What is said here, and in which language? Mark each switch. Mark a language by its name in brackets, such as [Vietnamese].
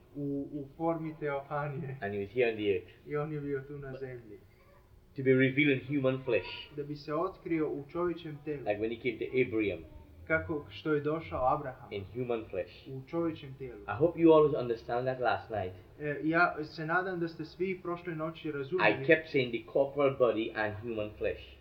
[Croatian] u formi teofanije. [English] And he was here on the earth. [Croatian] I on je bio tu na zemlji. [English] To be revealed in human flesh. [Croatian] Da bi se otkrio u čovječjem telu. [English] Like when he came to Abraham. [Croatian] Kako što je došao Abraham. [English] In human flesh. [Croatian] U čovječjem telu. [English] I hope you all understand that last night. [Croatian] Ja se nadam da ste svi prošle noći razumeli. [English] I kept saying the corporal body and human flesh.